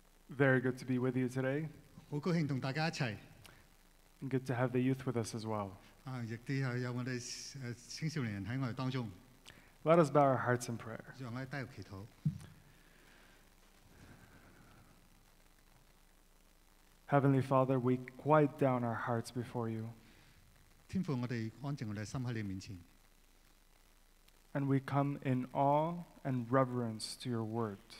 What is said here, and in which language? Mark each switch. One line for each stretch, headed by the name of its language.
English: Very good to be with you today.
Cantonese: 好高興同大家一齊。
English: Good to have the youth with us as well.
Cantonese: 啊，亦都係有我哋青少年人喺我哋當中。
English: Let us bow our hearts in prayer.
Cantonese: 讓我哋低頭祈禱。
English: Heavenly Father, we quiet down our hearts before you.
Cantonese: 天父，我哋安靜我哋心喺你面前。
English: And we come in awe and reverence to your word.